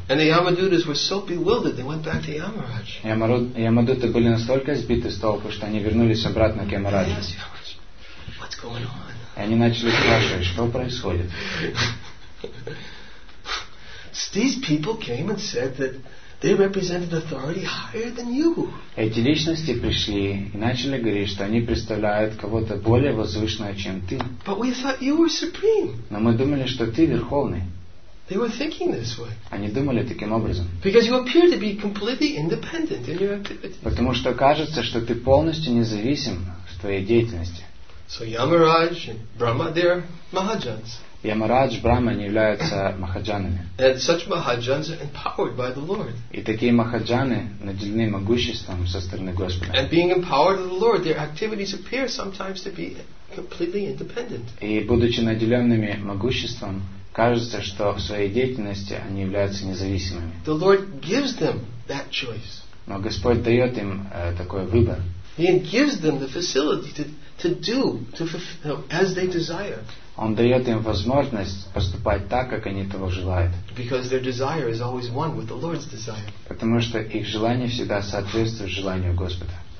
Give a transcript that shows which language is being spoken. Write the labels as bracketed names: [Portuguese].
[English] And the Yamadutas were so bewildered, they went back to Yamaraj. [Russian] Ямадуты были настолько сбиты с толку, что они вернулись обратно к Ямараджу. [English] And they asked Yamaraj, "What's going on?" [Russian] И они начали спрашивать, что происходит. [English] These people came and said that they represented authority higher than you. [Russian] Эти личности пришли и начали говорить, что они представляют кого-то более возвышенного, чем ты. [English] But we thought you were supreme. [Russian] Но мы думали, что ты верховный. [English] They were thinking this way. [Russian] Они думали таким образом. [English] Because you appear to be completely independent in your activities. [Russian] Потому что кажется, что ты полностью независим в твоей деятельности. [English] So Yamaraj and Brahma, they're Mahajans. [Russian] Ямарадж, Брама не являются махаджанами. [English] And such Mahajans are empowered by the Lord. [Russian] И такие махаджаны наделены могуществом со стороны Господа. [English] And being empowered by the Lord, their activities appear sometimes to be completely independent. [Russian] И будучи наделенными могуществом, кажется, что в своей деятельности они являются независимыми. [English] The Lord gives them that choice. [Russian] Но Господь дает им такой выбор. [English] He gives them the facility to do to fulfill as they desire. [Russian] Он дает им возможность поступать так, как они того желают. [English] Because their desire is always one with the Lord's desire. [Russian] Потому что их желание всегда соответствует желанию Господа.